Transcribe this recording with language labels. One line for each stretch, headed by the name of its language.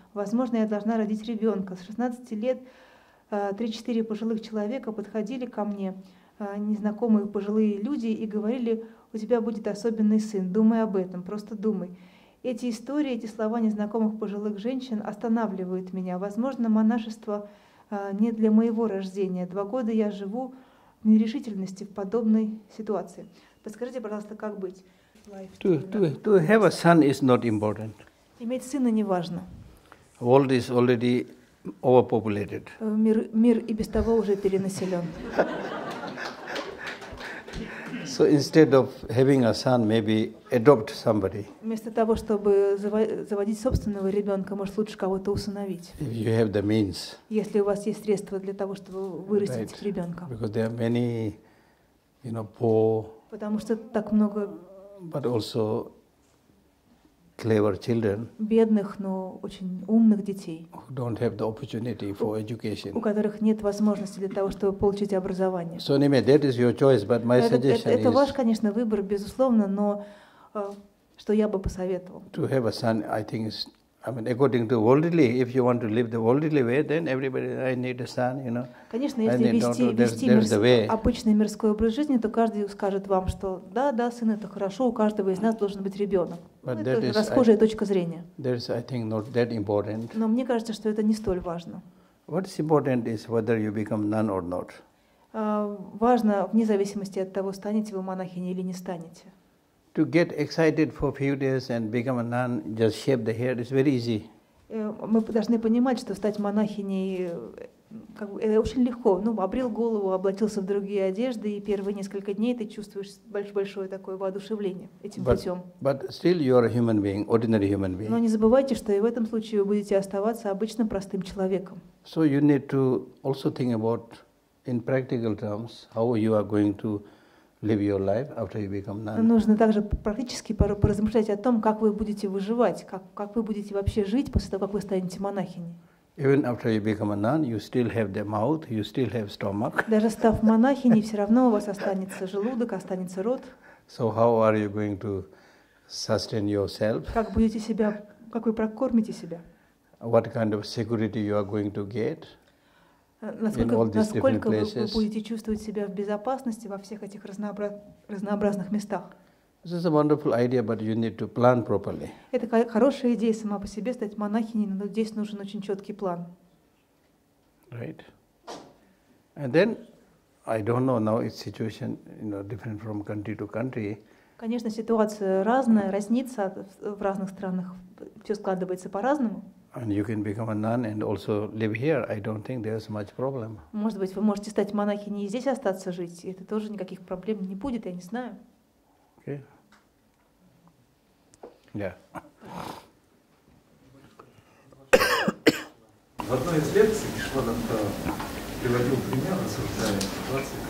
Russian: Возможно, я должна родить ребенка. С 16 лет 3-4 пожилых человека подходили ко мне, незнакомые пожилые люди, и говорили: «У тебя будет особенный сын, думай об этом, просто думай». Эти истории, эти слова незнакомых пожилых женщин останавливают меня. Возможно, монашество не для моего рождения. 2 года я живу в нерешительности в подобной ситуации. Подскажите, пожалуйста, как быть?
English: To have a son is not important.
Russian: Иметь сына не важно.
English: World is already overpopulated.
Russian: Мир и без того уже перенаселен.
English: So instead of having a son, maybe adopt somebody.
Russian: Вместо того, чтобы заводить собственного ребенка, может лучше кого-то усыновить.
English: If you have the means.
Russian: Если у вас есть средства для того, чтобы вырастить ребенка.
English: Because there are many, you know, poor.
Russian: Потому что так много.
English: But also clever children.
Russian: Бедных, но очень умных детей.
English: Who don't have the opportunity for education.
Russian: У которых нет возможности для того, чтобы получить образование.
English: So anyway, that is your choice, but my suggestion is.
Russian: Это ваш, конечно, выбор, безусловно, но что я бы посоветовал?
English: To have a son, I think, is I mean, according to worldly, if you want to live the worldly way, then everybody, I need a sun, you know.
Russian: Конечно, если вести обычный мирской образ жизни, то каждый скажет вам, что да, да, сын, это хорошо, у каждого из нас должен быть ребенок. But ну, это расхожая точка зрения.
English: That is, I think, not that important.
Russian: Но мне кажется, что это не столь важно.
English: What is important is whether you become nun or not.
Russian: Важно, вне зависимости от того, станете вы монахиней или не станете.
English: To get excited for a few days and become a nun, just shave the hair, is very easy.
Russian: Мы должны понимать, что стать монахиней как бы, очень легко. Ну, обрил голову, облачился в другие одежды, и первые несколько дней ты чувствуешь большое такое воодушевление этим путем.
English: But still you are a human being, ordinary human being.
Russian: Но не забывайте, что и в этом случае вы будете оставаться обычным простым человеком.
English: So you need to also think about, in practical terms, how you are going to live your life after you become nun.
Russian: Нужно также практически поразмышлять о том, как вы будете выживать, как вы будете вообще жить после того, как вы станете монахиней.
English: Even after you become a nun, you still have the mouth, you still have stomach.
Russian: Даже став монахиней, все равно у вас останется желудок, останется рот.
English: So how are you going to sustain yourself?
Russian: Как будете себя, как вы прокормите себя?
English: What kind of security you are going to get?
Russian: Насколько вы будете чувствовать себя в безопасности во всех этих разнообразных местах?
English: This is a wonderful idea, but you need to plan properly.
Russian: Это хорошая идея сама по себе стать монахиней, но здесь нужен очень четкий план.
English: Right. And then, I don't know now its situation, you know, different from country to country.
Russian: Конечно, ситуация разная, разнится в разных странах, все складывается по-разному.
English: And you can become a nun and also live here. I don't think there's much problem.
Russian: Может быть, вы можете стать монахиней и здесь остаться жить. Это тоже никаких проблем не будет, я не знаю.
English: Okay. Yeah.
Russian: В одной из лекций Вишвана приводил пример осуждаемой ситуации.